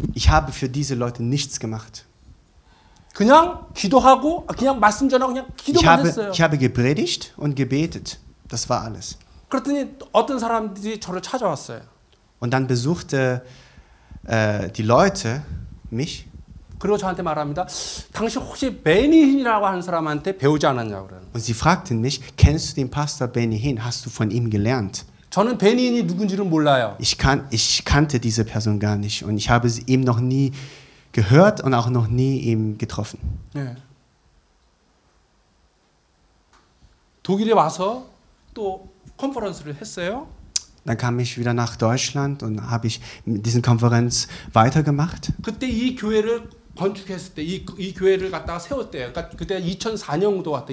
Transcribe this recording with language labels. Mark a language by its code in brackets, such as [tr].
[de] Ich habe für diese Leute nichts gemacht. [ko] 그냥 기도하고 그냥 말씀 전하고 그냥 기도만 했어요. [de] Ich habe gepredigt und gebetet. Das war alles. [ko] 그랬더니 어떤 사람들이 저를 찾아왔어요. [de] Und dann besuchte die Leute mich. [ko] 그리고 저한테 말합니다. 당신 혹시 베니 힌이라고 하는 사람한테 배우지 않았냐 그러는. [de] Und sie fragten mich, kennst du den Pastor Benny Hinn? Hast du von ihm gelernt? [ko] 저는 베니 힌이 누군지를 몰라요. [de] Ich kannte diese Person gar nicht und ich habe sie ihm noch nie gehört und auch noch nie ihm getroffen. [ko] 네. 독일에 와서 또 컨퍼런스를 했어요. [de] Dann kam ich wieder nach Deutschland und habe ich diesen Konferenz weitergemacht. [ko] 그때 이 교회를 건축했을 때 이 교회를 갖다가 세울 때 그러니까 그때 2004년도 왔다.